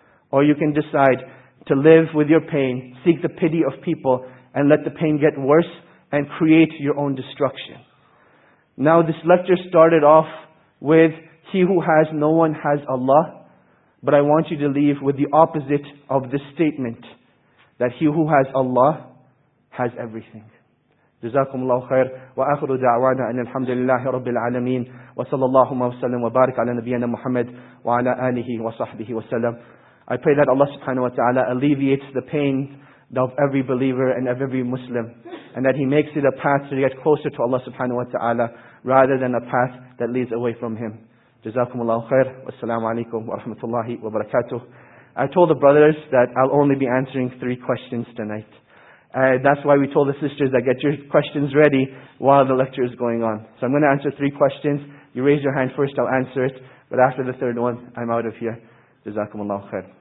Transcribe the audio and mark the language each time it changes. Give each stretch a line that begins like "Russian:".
English: Or you can decide to live with your pain, seek the pity of people, and let the pain get worse, and create your own destruction. Now this lecture started off with, he who has no one has Allah. But I want you to leave with the opposite of this statement, that he who has Allah has everything.
Arabic: جزاكم الله خير وآخر دعوانا أن الحمد لله رب العالمين وصلى الله وسلم وبارك على نبينا محمد وعلى آله وصحبه وسلم.
English: I pray that Allah subhanahu wa ta'ala alleviates the pain of every believer and of every Muslim, and that he makes it a path to get closer to Allah subhanahu wa ta'ala rather than a path that leads away from him.
Arabic: جزاكم الله خير والسلام عليكم ورحمة الله وبركاته.
English: I told the brothers that I'll only be answering 3 questions tonight. That's why we told the sisters that get your questions ready while the lecture is going on. So I'm going to answer 3 questions. You raise your hand first, I'll answer it. But after the 3rd one, I'm out of here.
Arabic: جزاكم الله خير.